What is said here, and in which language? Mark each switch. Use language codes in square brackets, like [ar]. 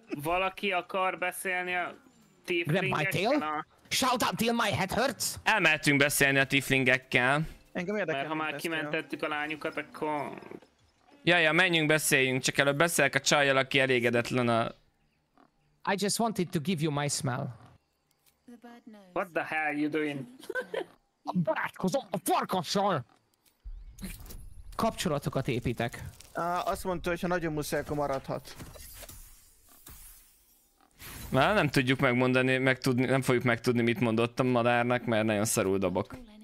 [hu] Valaki akar beszélni a tieflingekkel? [en] Grab my tail? Shout out till my head hurts? [hu] Elmehetünk beszélni a tieflingekkel. Engem érdekel. Mert ha már kimentettük a lányukat, akkor... Jaja, menjünk, beszéljünk. Csak előbb beszélek a csajjal, aki elégedetlen a... [en] I just wanted to give you my smell. What the hell are you doing? [hu] A barátkozom a farkassal! Kapcsolatokat építek. Azt mondta, hogy ha nagyon muszáj, akkor maradhat. Már nem tudjuk megmondani, megtudni, nem fogjuk megtudni, mit mondott a madárnak, mert nagyon szarul dobok.